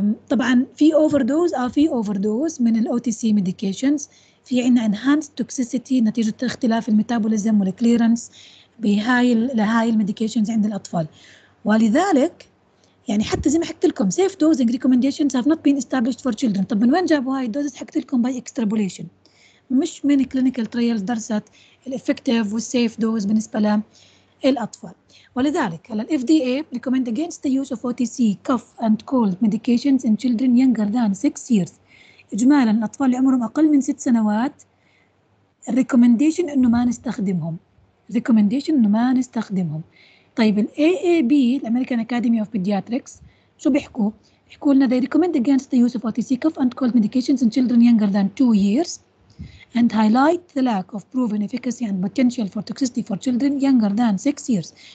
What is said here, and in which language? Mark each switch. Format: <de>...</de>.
<ar>طبعا في overdose أو في overdose من الـ OTC medications، في عنا</ar> <en>enhanced toxicity</en> <ar>نتيجة اختلاف الميتابوليزم والكليرنس بهاي لهاي medications عند الأطفال. ولذلك يعني حتى زي ما حكيت لكم</ar> <en>safe dosing recommendations have not been established for children.</en> <ar>طب من وين جابوا هاي الدوزز؟ حكيت لكم</ar> <en>by extrapolation،</en> <ar>مش من</ar> <en>clinical trials</en> <ar>درست الeffective والsafe dose بالنسبة للأطفال. ولذلك هلا</ar> <en>FDA recommend against the use of OTC cough and cold medications in children younger than 6 years.</en> <ar>إجمالا الأطفال اللي عمرهم أقل من 6 سنوات recommendation إنه ما نستخدمهم، recommendation إنه ما نستخدمهم. طيب الـ AAB الـ American Academy of Pediatrics شو بيحكوا؟ بيحكوا لنا</ar> <en>they recommend against the use of OTC cough and cold medications in children younger than 2 years and highlight the lack of proven efficacy and potential for toxicity for children younger than 6 years.</en>